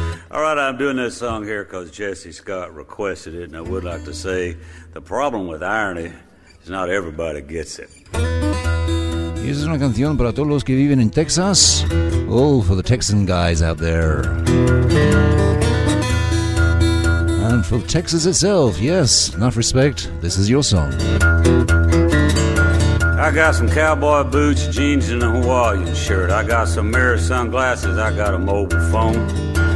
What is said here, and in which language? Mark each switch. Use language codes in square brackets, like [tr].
[en] All right, I'm doing this song here because Jesse Scott requested it, and I would like to say the problem with irony is not everybody gets it. [es] Y esa es una canción para todos los que viven en Texas. [en] Oh, for the Texan guys out there. And for Texas itself, yes, enough respect, this is your song. I got some cowboy boots, jeans, and a Hawaiian shirt. I got some mirror sunglasses, I got a mobile phone.